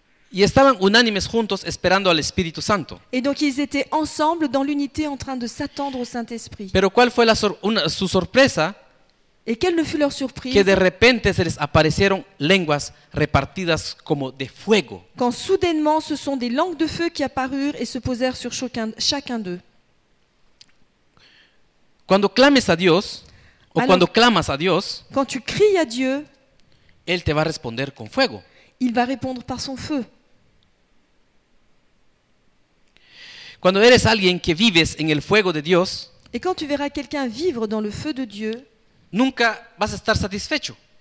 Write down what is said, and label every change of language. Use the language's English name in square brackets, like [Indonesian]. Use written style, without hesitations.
[Spanish] Y estaban unánimes juntos esperando al Espíritu Santo. [French] Et donc ils étaient ensemble dans l'unité en train de s'attendre au Saint-Esprit. [Spanish] Pero ¿cuál fue su sorpresa? [French] Et quelle ne fut leur surprise? [Spanish] Que de repente se les aparecieron lenguas repartidas como de fuego. [French] Quand soudainement ce sont des langues de feu qui apparurent et se posèrent sur chacun d'eux. [Spanish] Cuando clames a Dios, [French] alors, [Spanish] o cuando clamas a Dios, [French] quand tu cries à Dieu, [Spanish] él te va a responder con fuego. [French] Il va répondre par son feu. [Spanish] Cuando eres alguien que vives en el fuego de Dios, [French] et quand tu verras quelqu'un vivre dans le feu de Dieu, [Spanish] nunca vas a estar satisfecho.